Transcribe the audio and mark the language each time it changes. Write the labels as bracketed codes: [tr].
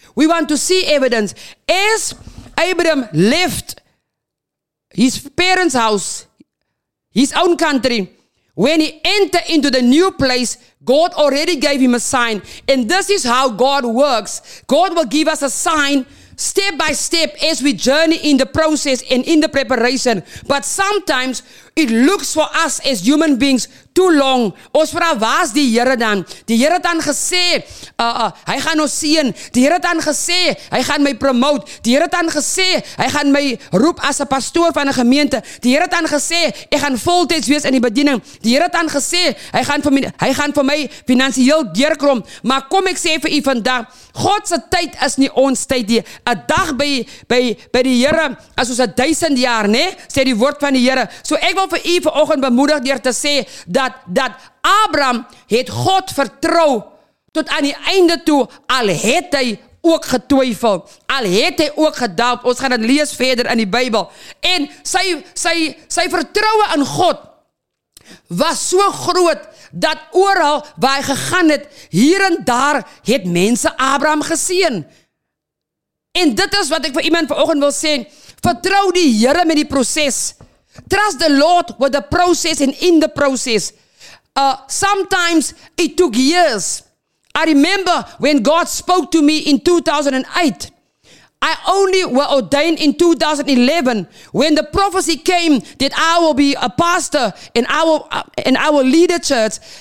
[en] We want to see evidence. As Abraham left his parents' house, his own country, when he entered into the new place, God already gave him a sign. And this is how God works. God will give us a sign step by step as we journey in the process and in the preparation. But sometimes it looks for us as human beings too long. [af] Ons vra, waar is die Here dan? Die Here het dan gesê, hy gaan ons seën. Die Here het dan gesê, hy gaan my promote. Die Here het dan gesê, hy gaan my roep as 'n pastoor van 'n gemeente. Die Here het dan gesê, ek gaan voltyds wees in die bediening. Die Here het dan gesê, hy gaan vir my finansiëel deurkrom. Maar kom ek sê vir u vandag, God se tyd is nie ons tyd nie. 'N dag by die Here is soos 1000 jaar, né? Sê die woord van die Here. So ek wil vir u vanoggend bemoedig deur te sê dat Abraham het God vertrou tot aan die einde toe, al het hy ook getwyfel, al het hy ook gedoubt. Ons gaan dit lees verder in die Bybel. En sy vertroue in God was so groot dat oral waar hy gegaan het, hier en daar het mense Abraham geseën. En dit is wat ek vir iemand vanoggend wil sê, vertrou die Here met die proses. [en] Trust the Lord with the process and in the process. Sometimes it took years. I remember when God spoke to me in 2008. I only were ordained in 2011 when the prophecy came that I will be a pastor and I will lead a church.